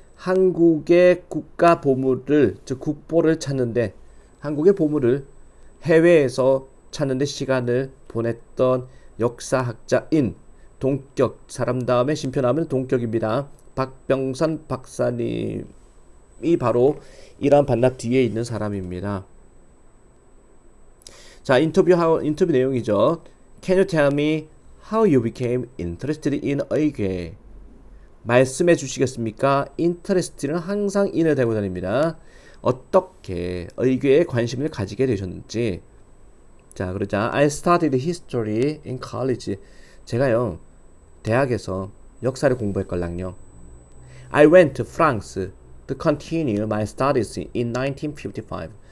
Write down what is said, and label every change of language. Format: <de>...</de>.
<ko>한국의 국가 보물을, 즉 국보를 찾는데, 한국의 보물을 해외에서 찾는데 시간을 보냈던 역사학자인 동격, 사람 다음에 심표 나오면 동격입니다. 박병선 박사님. 이 바로 이러한 반납 뒤에 있는 사람입니다. 자, 인터뷰 내용이죠.</ko> <en>Can you tell me how you became interested in 의궤?</en> <ko>말씀해 주시겠습니까?</ko> <en>Interested는 항상 in을 대고 다닙니다.</en> <ko>어떻게 의궤에 관심을 가지게 되셨는지.</ko> <en>자, 그러자 I studied history in college.</en> <ko>제가요, 대학에서 역사를 공부했걸랑요.</ko> <en>I went to France to continue my studies in 1955.</en>